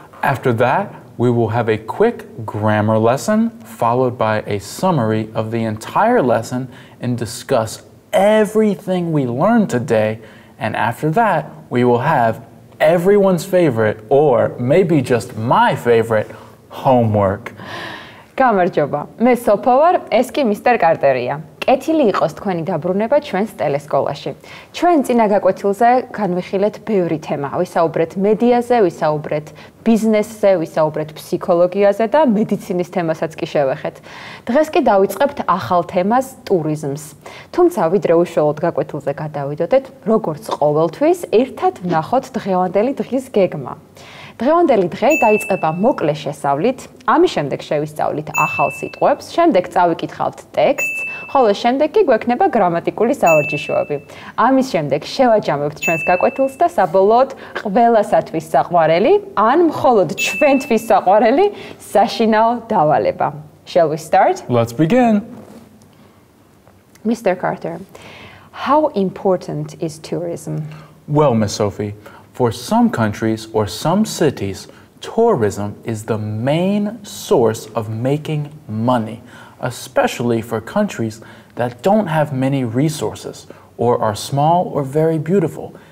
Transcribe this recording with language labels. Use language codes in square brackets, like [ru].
[en] After that, we will have a quick grammar lesson, followed by a summary of the entire lesson and discuss everything we learned today. And after that, we will have everyone's favorite, or maybe just my favorite, homework. [ka] გამარჯობა. მე სოფო ვარ, ეს კი მისტერ კარტერია. კეთილი იყოს თქვენი დაბრუნება ჩვენს ტელესკოლაში. ჩვენ წინა გაკვეთილზე განვიხილეთ ბევრი თემა. ვისაუბრეთ მედიაზე, ვისაუბრეთ ბიზნესზე, ვისაუბრეთ ფსიქოლოგიაზე და მედიცინის თემასაც კი შევეხეთ. დღეს კი დავიწყებთ ახალ თემას ტურიზმს. თუმცა ვიდრე უშუალოდ გაკვეთილზე გადავიდოდეთ, როგორც ყოველთვის, ერთად ნახოთ დღევანდელი დღის გეგმა. დღევანდელი დღე დაიწყება მოკლე შესავლით. ამის შემდეგ შევისწავლით ახალ სიტყვებს, შემდეგ წავიკითხავთ ტექსტს, ხოლო შემდეგ კი გვექნება გრამატიკული სავარჯიშოები. ამის შემდეგ შევაჯამებთ ჩვენს გაკვეთილს და საბოლოოდ ყველასათვის საყვარელი, ან მხოლოდ ჩვენთვის საყვარელი საშინაო დავალება. [en] Shall we start? Let's begin. Mr. Carter, how important is tourism? Well, Miss Sophie, for some countries or some cities, tourism is the main source of making money, especially for countries that don't have many resources or are small or very beautiful.